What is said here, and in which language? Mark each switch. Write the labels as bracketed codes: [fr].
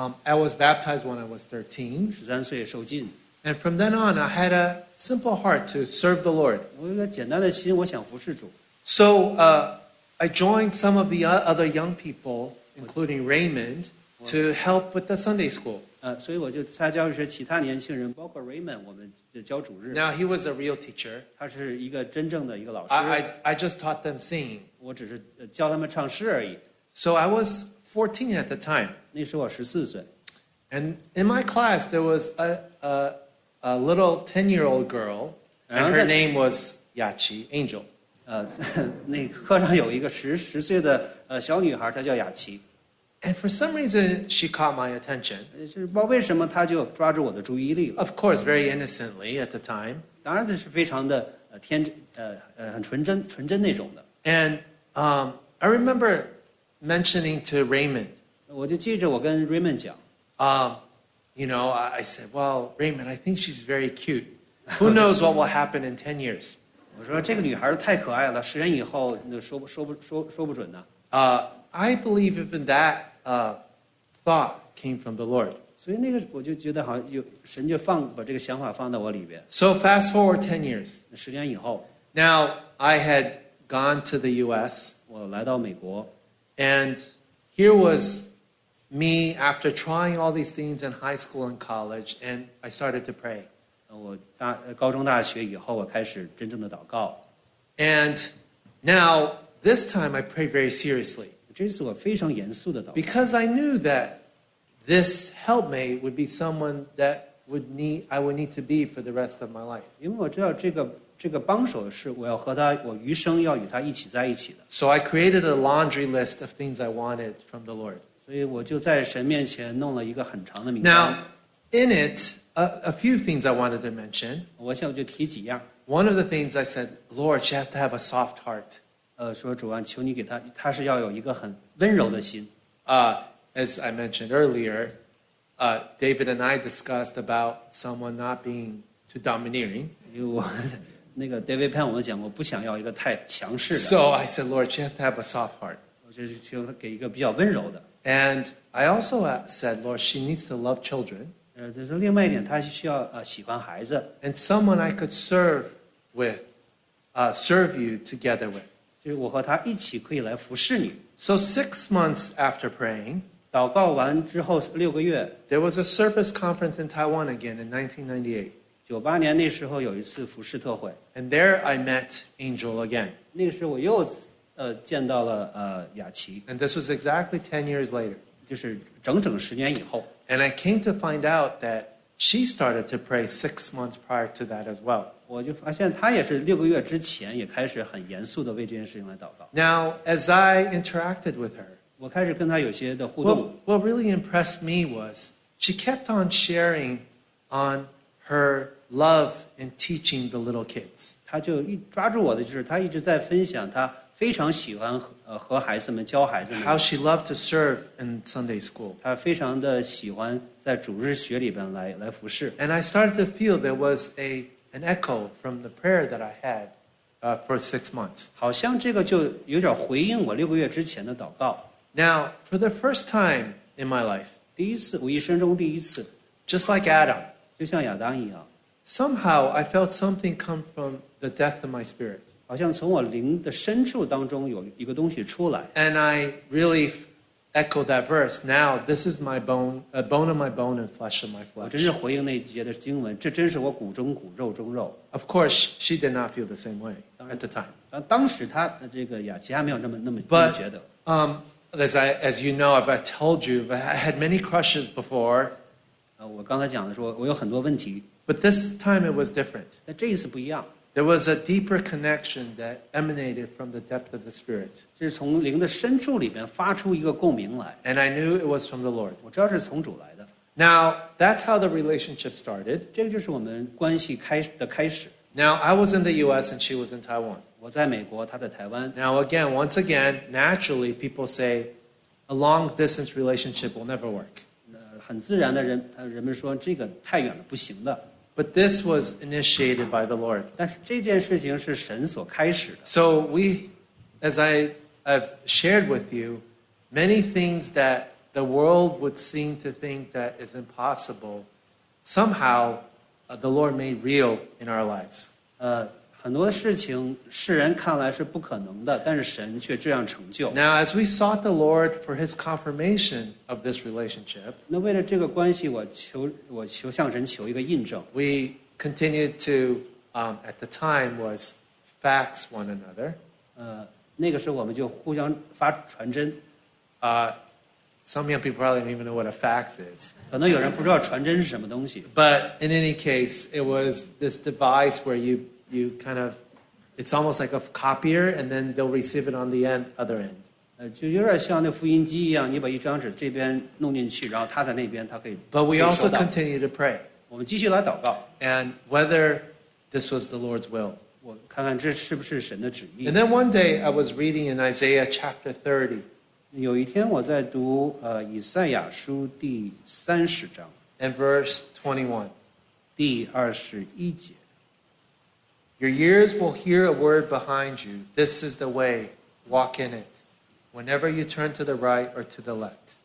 [en] I was baptized when I was 13. [zh] 十三岁受浸。 [en] And from then on, I had a simple heart to serve the Lord. [zh] 我有个简单的心，我想服事主。 [en] So, I joined some of the other young people, including Raymond, to help with the Sunday school. [zh] 所以我就参加一些其他年轻人，包括 Raymond, 我们就教主日。 [en] Now he was a real teacher. [zh] 他是一个真正的一个老师。 [en] I just taught them singing. [zh] 我只是教他们唱诗而已。 [en] So I was 14 at the time. [zh] 那时候我14岁。 [en] And in my class, there was a little 10-year-old girl, and her name was Yachi, Angel. [zh] 那课上有一个十岁的小女孩，她叫雅琪。 [en] And for some reason, she caught my attention. [zh] 就是不知道为什么她就抓住我的注意力了。 [en] Of course, very innocently at the time. [zh] 当然这是非常的天很纯真那种的。 [en] And I remember mentioning to Raymond. [zh] 我就记着我跟 Raymond 讲。 [en] You know, I said, well, Raymond, I think she's very cute. Who knows what will happen in 10 years? [zh] 我说这个女孩太可爱了，十年以后说不准呢。 [en] I believe even that thought came from the Lord. [zh] 所以那个我就觉得好像有神就把这个想法放在我里边。 [en] So fast forward 10 years. [zh] 十年以后。 [en] Now, I had gone to the U.S. [zh] 我来到美国。 [en] And here was me after trying all these things in high school and college, and I started to pray. [zh] 我高中大学以后我开始真正的祷告。 [en] And now, this time I pray very seriously. [zh] 这次我非常严肃的祷告。 [en] Because I knew that this helpmate would be someone that I would need to be for the rest of my life. [zh] 因为我知道这个帮手是我要和他，我余生要与他一起在一起的。 [en] So I created a laundry list of things I wanted from the Lord. [zh] 所以我就在神面前弄了一个很长的名单。 [en] Now, in it, a few things I wanted to mention. [zh] 我想就提几样。 [en] One of the things I said, Lord, she has to have a soft heart. [zh] 说主啊，求你给他，他是要有一个很温柔的心。 [en] As I mentioned earlier, David and I discussed about someone not being too domineering. [zh] 因为那个 David Pan 我们讲过，不想要一个太强势的。 [en] So I said, Lord, she has to have a soft heart. [zh] 我就是求他给一个比较温柔的。 [en] And I also said, Lord, she needs to love children. [zh] 就是另外一点，她需要喜欢孩子。 [en] And someone I could serve with, serve you together with. [zh] 就是我和他一起可以来服侍你。 [en] So 6 months after praying, [zh] 祷告完之后六个月 [en] ，there was a service conference in Taiwan again in 1998. [zh] 九八年那时候有一次服侍特会。 [en] And there I met Angel again. [zh] 那个时候我又见到了雅琪。 [en] And this was exactly 10 years later. [zh] 就是整整十年以后。 [en] And I came to find out that she started to pray 6 months prior to that as well. [zh] 我就发现他也是六个月之前也开始很严肃地为这件事情来祷告。 [en] Now, as I interacted with her, [zh] 我开始跟他有些的互动。 [en] What really impressed me was she kept on sharing on her love in teaching the little kids. [zh] 他就一抓住我的就是他一直在分享他非常喜欢和孩子们教孩子们。 [en] How she loved to serve in Sunday school. [zh] 他非常的喜欢在主日学里边来服侍。 [en] And I started to feel there was an echo from the prayer that I had for 6 months. [zh] 好像这个就有点回应我六个月之前的祷告。 [en] Now, for the first time in my life, [zh] 第一次，我一生中第一次， [en] just like Adam, [zh] 就像亚当一样， [en] somehow I felt something come from the depth of my spirit. [zh] 好像从我灵的深处当中有一个东西出来。 [en] And I really echo that verse. Now, this is my bone, a bone of my bone and flesh of my flesh. [zh] 我真是回应那节的经文，这真是我骨中骨，肉中肉。 [en] Of course, she did not feel the same way at the time. [zh] 当时她这个雅琪还没有那么觉得。 [en] As you know, if I told you, I had many crushes before. [zh] 我刚才讲的说，我有很多问题。 [en] But this time it was different. [zh] 那这一次不一样。 [en] There was a deeper connection that emanated from the depth of the Spirit. [zh] 是从灵的深处里边发出一个共鸣来。 [en] And I knew it was from the Lord. [zh] 我知道是从主来的。 [en] Now, that's how the relationship started. [zh] 这个就是我们关系开始。 [en] Now, I was in the U.S. and she was in Taiwan. [zh] 我在美国，她在台湾。 [en] Now, again, once again, naturally, people say a long-distance relationship will never work. [zh] 很自然的人们说这个太远了，不行的。 [en] But this was initiated by the Lord. [zh] 但是这件事情是神所开始的。 [en] So we, as I have shared with you, many things that the world would seem to think that is impossible, somehow, the Lord made real in our lives. [zh] 很多事情世人看来是不可能的，但是神却这样成就。 [en] Now, as we sought the Lord for His confirmation of this relationship, [zh] 那为了这个关系，我求向神求一个印证。 [en] We continued to, at the time, was fax one another. [zh] 那个时候我们就互相发传真。 [en] Some young people probably don't even know what a fax is. [zh] 可能有人不知道传真是什么东西。 [en] But in any case, it was this device where you kind of, it's almost like a copier, and then they'll receive it on the end, other end. [zh] 就有点像那复印机一样，你把一张纸这边弄进去，然后他在那边，他可以。 [en] But we also continue to pray. [zh] 我们继续来祷告。 [en] And whether this was the Lord's will. [zh] 我看看这是不是神的旨意。 [en] And then one day I was reading in Isaiah chapter 30. [zh] 有一天我在读以赛亚书第三十章。 [en] And verse 21. [zh] 第二十一节。 [en] Your ears will hear a word behind you. This is the way. Walk in it. Whenever you turn to the right or to the left.